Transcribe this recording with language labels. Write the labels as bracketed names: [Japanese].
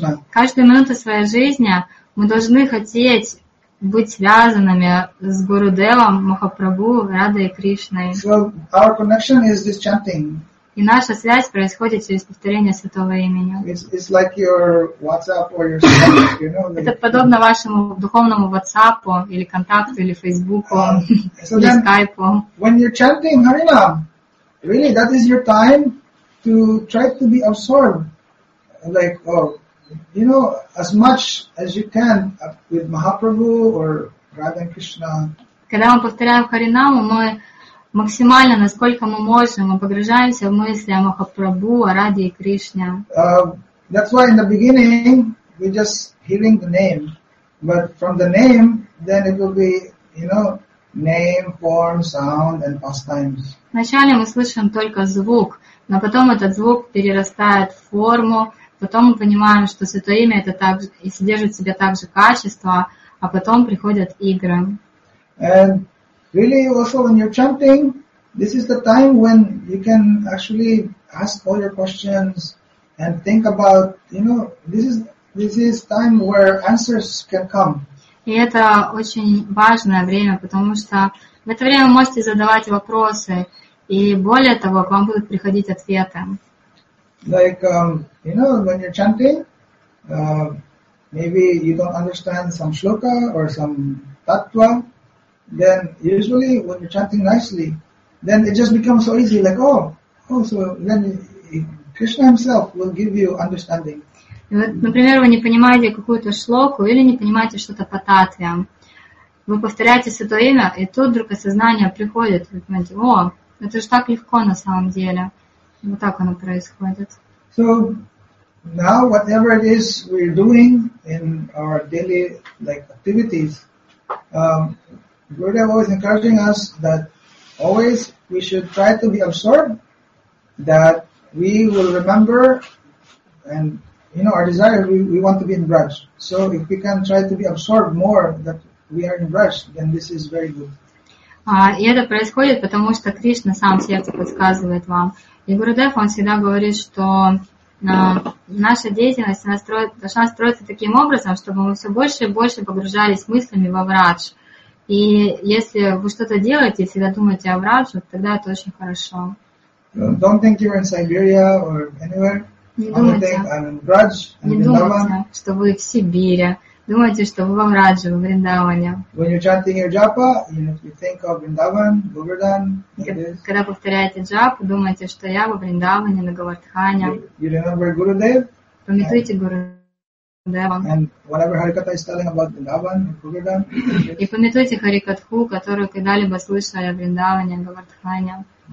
[Russian] Каждую минуту своей жизни мы должны хотеть быть связанными с Гурудевом, Махапрабху, Радой и Кришной. [English] So our connection is this chanting. [Russian] И наша связь происходит через повторение святого имени. [English] It's like your WhatsApp or your Skype, you know. [Russian] Это подобно вашему духовному WhatsApp или контакту или Facebook или Skype. [English] When you're chanting Hari Nam, really that is your time to try to be absorbed, like, oh, you know, as much as you can with Mahaprabhu or Radha Krishna. [Russian] Когда мы повторяем Хари Наму, мы максимально, насколько мы можем, мы погружаемся в мысли о Махапрабху, о Раде и Кришне. [English] That's why in the beginning we're just hearing the name, but from the name, then it will be, you know, name, form, sound, and pastimes. [Russian] Вначале мы слышим только звук, но потом этот звук перерастает в форму, потом мы понимаем, что Святое Имя это также и содержит в себе также качества, а потом приходят игры. [English] And really, also when you're chanting, this is the time when you can actually ask all your questions and think about, you know, this is time where answers can come. [Russian] И это очень важное время, потому что в это время вы можете задавать вопросы, и более того, к вам будут приходить ответы. [English] Like, you know, when you're chanting, maybe you don't understand some shloka or some tattva. Then usually when you're chanting nicely, then it just becomes so easy, like so then Krishna himself will give you understanding. [Russian] Вот, например, вы не понимаете какую-то шлоку или не понимаете что-то по татве. Вы повторяете Святое Имя, и тут вдруг осознание приходит. Вы понимаете, это же так легко на самом деле. Вот так оно происходит. [English] So now whatever it is we're doing in our daily like activities, Gurudev always encouraging us that always we should try to be absorbed, that we will remember, and you know our desire, we want to be in Braj. So if we can try to be absorbed more that we are in Braj, then this is very good. [Russian] И это происходит, потому что Кришна сам сердце подсказывает вам. И Гурудев, он всегда говорит, что наша деятельность должна строиться таким образом, чтобы мы все больше и больше погружались мыслями во Врадж. И если вы что-то делаете, всегда думаете о Врадже, тогда это очень хорошо. [English] Don't think you're in Siberia or anywhere. [Russian] Не думайте, что вы в Сибири. Думайте, что вы во Врадже, в Вриндаване. [English] When you're chanting your japa, you think of Vrindavan, Govardhan. [Russian] Когда повторяете джапу, думайте, что я во Вриндаване, на Говардхане. [English] You remember Gurudev? [Russian] Помните Гурудева. [English] And whatever Harikatha is telling about Vrindavan, Govardhan. [Russian] И помните Харикатху, которую когда-либо слышали о Вриндаване, Говардхане.